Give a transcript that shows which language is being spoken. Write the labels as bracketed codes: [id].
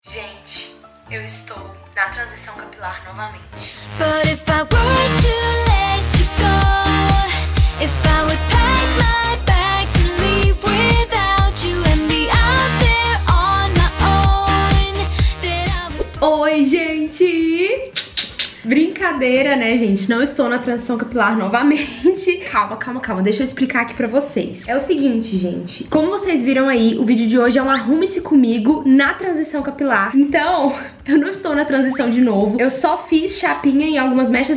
[pt] Gente, eu estou na transição capilar novamente. [en] But if I were to let you go, if I would pack my bags and leave without you and be out there on my own, then I would... [pt] Oi, gente! Brincadeira, né, gente? Não estou na transição capilar novamente. Calma, calma, calma. Deixa eu explicar aqui pra vocês. É o seguinte, gente. Como vocês viram aí, o vídeo de hoje é um arrume-se comigo na transição capilar. Então, eu não estou na transição de novo. Eu só fiz chapinha em algumas mechas.